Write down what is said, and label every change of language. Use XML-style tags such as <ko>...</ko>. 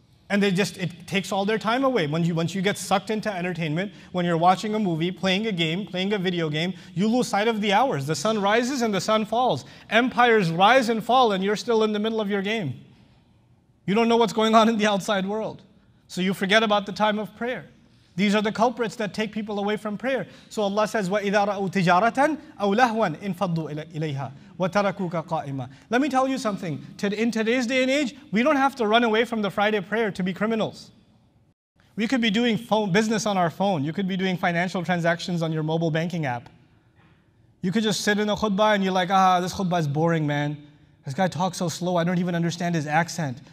<en>And it takes all their time away. Once you get sucked into entertainment, when you're watching a movie, playing a game, playing a video game, you lose sight of the hours. The sun rises and the sun falls. Empires rise and fall and you're still in the middle of your game. You don't know what's going on in the outside world. So you forget about the time of prayer. These are the culprits that take people away from prayer. So Allah says,</en> <ar>وَإِذَا رَأُوا تِجَارَةً أَوْ لَهْوًا إِنْفَضُّوا إِلَيْهَا وَتَرَكُوكَ قَائِمًا.</ar> <en>Let me tell you something. In today's day and age, we don't have to run away from the Friday prayer to be criminals. We could be doing business on our phone. You could be doing financial transactions on your mobile banking app. You could just sit in a khutbah and you're like, ah, this khutbah is boring, man. This guy talks so slow, I don't even understand his accent.</en>